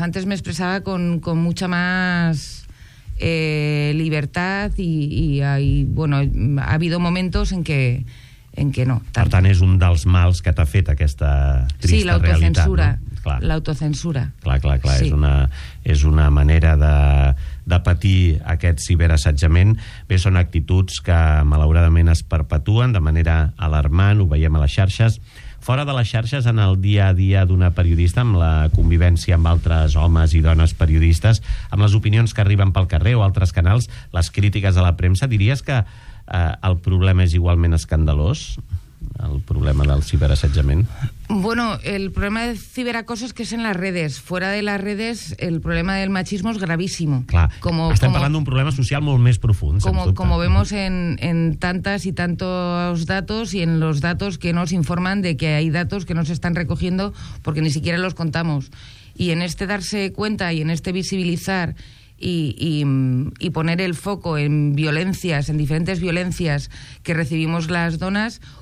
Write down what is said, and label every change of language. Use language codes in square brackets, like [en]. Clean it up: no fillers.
[es] Antes me expressava con mucha más libertad y bueno, ha habido momentos en que no. [ca] Tant. Per tant, és un dels mals que t'ha fet aquesta trista realitat. Sí, l'autocensura. Realitat, no? Clar. L'autocensura. Clar, sí. és una manera de patir aquest ciberassetjament. Bé, són actituds que malauradament es perpetuen de manera alarmant, ho veiem a les xarxes. Fora de les xarxes, en el dia a dia d'una periodista, amb la convivència amb altres homes i dones periodistes, amb les opinions que arriben pel carrer o altres canals, les crítiques a la premsa, diries que el problema és igualment escandalós? El problema del ciberassetjament? [es] Bueno, el problema de ciberacoso es que es en las redes. Fuera de las redes, el problema del machismo es gravísimo. [ca] Clar, estem parlant d'un problema social molt més profund, sense dubte. [es] Como vemos en tantas y tantos datos, y en los datos que nos informan de que hay datos que no se están recogiendo porque ni siquiera los contamos. Y en este darse cuenta y en este visibilizar y poner el foco en violencias, en diferentes violencias que recibimos las donas...